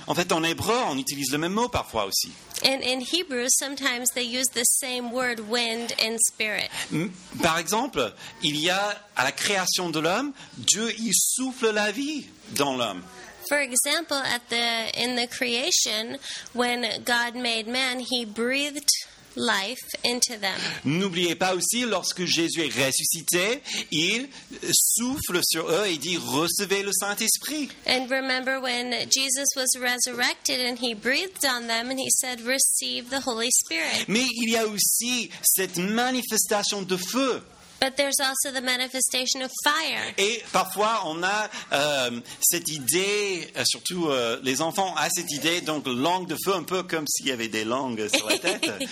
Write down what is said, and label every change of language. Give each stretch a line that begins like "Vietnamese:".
French: En fait, en hébreu, on utilise le même mot parfois aussi.
English: And in Hebrew, sometimes they use the same word, wind and spirit.
French: Par exemple, il y a à la création de l'homme, Dieu y souffle la vie dans l'homme.
English: For example, in the creation, when God made man, he breathed life into them.
French: N'oubliez pas aussi, lorsque Jésus est ressuscité, il souffle sur eux et dit, recevez le Saint-Esprit.
English: And remember when Jesus was resurrected and he breathed on them and he said, receive the Holy Spirit.
French: Mais il y a aussi cette manifestation de feu.
English: But there's also the manifestation of fire.
French: Et parfois, on a cette idée, surtout les enfants ont cette idée, donc langue de feu, un peu comme s'il y avait des langues sur la tête.